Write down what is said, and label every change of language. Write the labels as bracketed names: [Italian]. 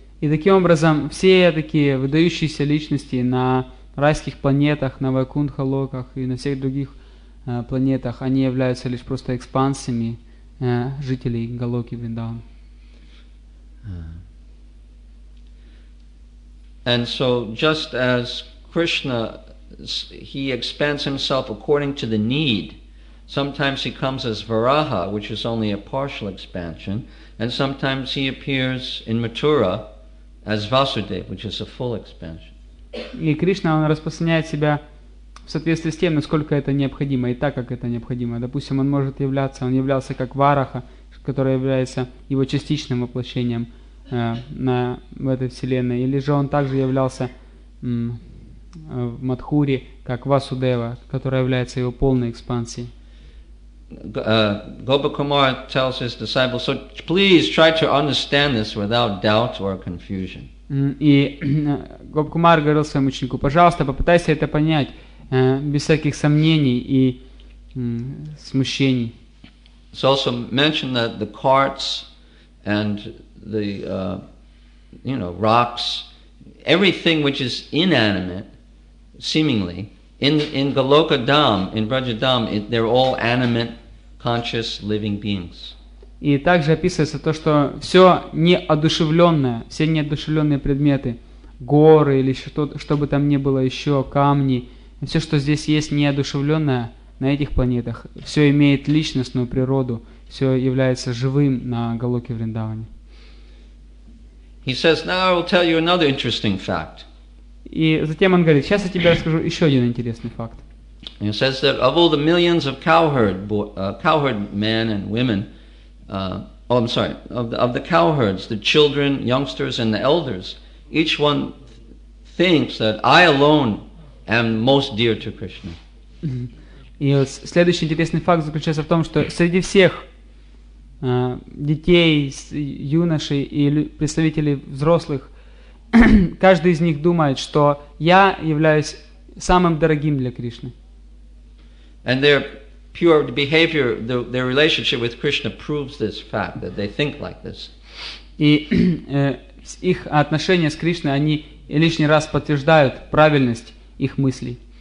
[Russian] И таким образом все такие выдающиеся личности на райских планетах, на Вайкунтха Локах и на всех других планетах, они являются лишь просто экспансиями жителей Голоки Вриндавана. [English] And so just as Krishna, he expands himself according to the need. Sometimes he comes as Varaha, which is only a partial expansion, and sometimes he appears in Mathura as Vasudeva, which is a full expansion. [Russian] И Кришна, он распространяет себя в соответствии с тем, насколько это необходимо, и так, как это необходимо. Допустим, он может являться, он являлся как Вараха, который является его частичным воплощением в этой вселенной, или же он также являлся в Мадхуре, как Васудева, который является его полной экспансией. [English] Gopakumar tells his disciples, so please try to understand this without doubt or confusion. [Russian] И Гопакумар говорил своему ученику, пожалуйста, попытайся это понять без всяких сомнений и смущений. [English] It's also mentioned that the carts and the rocks, everything which is inanimate, seemingly, in Goloka Dham, in Vrajadham, they're all animate, conscious living beings. [Russian] И также описывается то, что все неодушевленное, все неодушевленные предметы, горы или что, что бы там ни было еще, камни, все, что здесь есть неодушевленное на этих планетах, все имеет личностную природу, все является живым на Галоке Вриндаване. [English] He says, now I will tell you another interesting fact. [Russian] И затем он говорит, сейчас я тебе расскажу еще один интересный факт. [English] He says that of all the millions of cowherd men and women, of the cowherds, the children, youngsters, and the elders, each one thinks that I alone am most dear to Krishna. [Russian] И следующий интересный факт заключается в том, что среди всех детей, юношей и представителей взрослых, каждый из них думает, что я являюсь самым дорогим для Кришны. [English] And their pure behavior, their relationship with Krishna proves this fact, that they think like this. [Russian] И их отношения с Кришной, они лишний раз подтверждают правильность их мыслей.